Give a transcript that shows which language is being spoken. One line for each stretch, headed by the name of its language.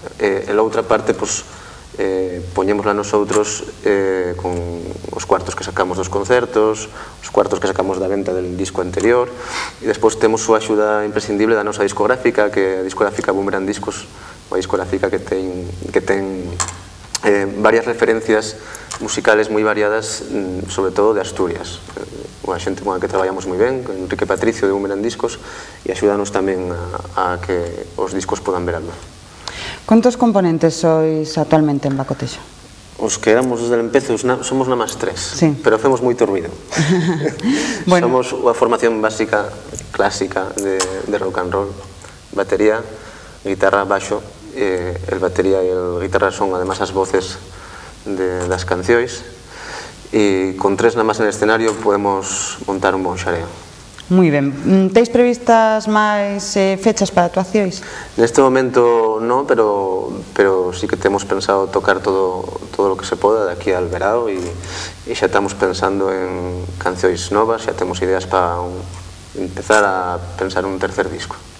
Galician: En outra parte, pues, poñémosla nosotros con os cuartos que sacamos dos concertos, os cuartos que sacamos da venta del disco anterior, e despois temos súa axuda imprescindible da nosa discográfica, que a discográfica Boomerang Discos, unha discográfica que ten varias referencias musicales moi variadas, sobre todo de Asturias, unha xente con a que traballamos moi ben, Enrique Patricio de Boomerang Discos, e axúdanos tamén a que os discos podan ver a luz.
Spanish: ¿Cuántos componentes sois actualmente en Bacotexo?
Galician: Os que éramos desde el empezo somos nada más tres, sí.
Spanish: Pero hacemos
Galician: moito ruido.
Spanish: Bueno.
Galician: Somos unha formación básica, clásica, de rock and roll. Batería, guitarra, baixo, el batería e el guitarra son además as voces das cancións. E con tres nada más en el escenario podemos montar un bon xareo. Muy ben. Teis previstas máis fechas para actuacións? Neste momento non, pero sí que temos pensado tocar todo o que se poda de aquí al verao, e xa estamos pensando en cancións novas, xa temos ideas para empezar a pensar un tercer disco.